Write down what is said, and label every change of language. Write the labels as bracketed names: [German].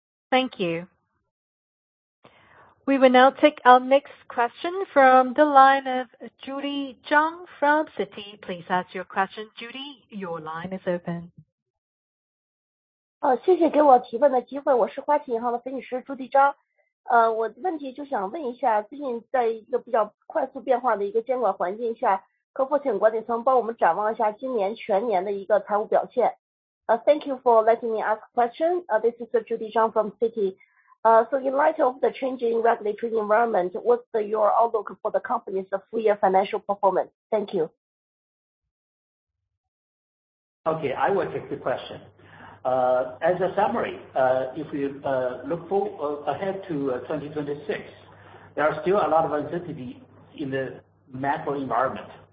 [English] Thank you. We will now take our next question from the line of Judy Zhang from Citi. Please ask your question, Judy. Your line is open. [Chinese] 谢谢给我提问的机会，我是花旗银行的分析师朱迪章。我问题就想问一下，最近在一个比较快速变化的一个监管环境下，可否请管理层帮我们展望一下今年全年的一个财务表现？ [English] Thank you for letting me ask question. This is Judy Zhang from Citi. So in light of the changing regulatory environment, what's your outlook for the company's full year financial performance? Thank you. Okay, I will take the question. As a summary, if we look ahead to 2026, there are still a lot of uncertainty in the macro environment.